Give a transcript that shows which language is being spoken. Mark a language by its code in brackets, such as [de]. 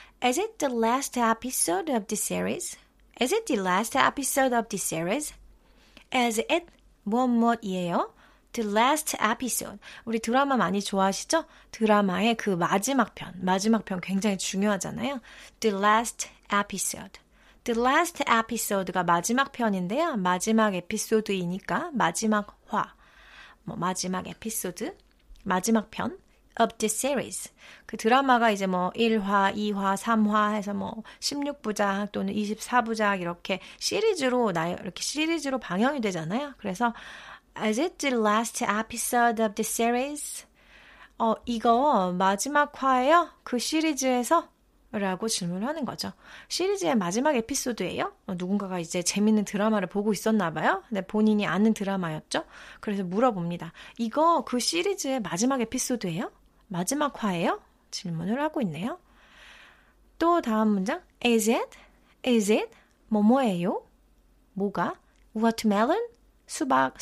[en] Is it the last episode of the series? Is it the last episode of the series? Is it? [ko] 무엇무엇이에요? [en] The last episode. [ko] 우리 드라마 많이 좋아하시죠? 드라마의 그 마지막 편. 마지막 편 굉장히 중요하잖아요. [en] The last episode. The last episode가 [ko] 마지막 편인데요. 마지막 에피소드이니까 마지막 화. 뭐 마지막 에피소드. 마지막 편. [en] of the series. [ko] 그 드라마가 이제 뭐 1화, 2화, 3화 해서 뭐 16부작 또는 24부작 이렇게 시리즈로 나 이렇게 시리즈로 방영이 되잖아요. 그래서 [en] is it the last episode of the series? [ko] 이거 마지막 화예요? 그 시리즈에서 라고 질문을 하는 거죠. 시리즈의 마지막 에피소드예요? 누군가가 이제 재밌는 드라마를 보고 있었나 봐요. 근데 본인이 아는 드라마였죠. 그래서 물어봅니다. 이거 그 시리즈의 마지막 에피소드예요? 마지막 화예요? 질문을 하고 있네요. 또 다음 문장. [en] Is it? Is it? [ko] 뭐뭐예요? 뭐가? Watermelon? 수박.